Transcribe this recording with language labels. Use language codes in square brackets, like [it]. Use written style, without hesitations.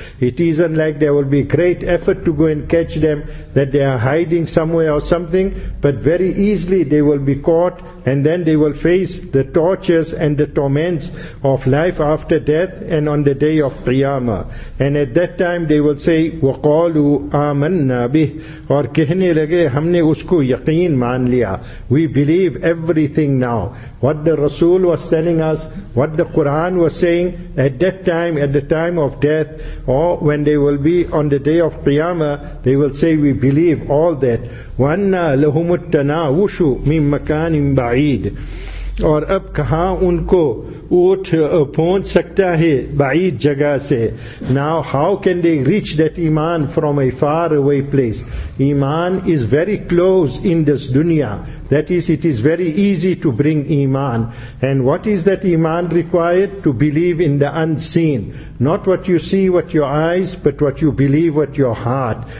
[en] It isn't like there will be great effort to go and catch them, that they are hiding somewhere or something, but very easily they will be caught, and then they will face the tortures and the torments of life after death and on the day of Qiyamah. And at that time they will say, [ar] وَقَالُوا آمَنَّا بِهِ. [ur] اور کہنے لگے ہم نے اس کو یقین مان لیا. [en] We believe everything now. What the Rasul was telling us, what the Quran was saying, at that time, at the time of death, or when they will be on the day of Qiyamah, they will say, we believe all that. [ar] وَأَنَّا لَهُمُ التَّنَاوُشُ مِن مَكَانٍ بَعِيدٍ. [ur] اور اب کہاں ان کو اوٹ پہنچ سکتا ہے بعید جگہ سے. [en] Now how can they reach that iman from a far away place? Iman is very close in this dunya. That is, it is very easy to bring iman. And what is that iman required? To believe in the unseen. Not what you see with your eyes, but what you believe with your heart.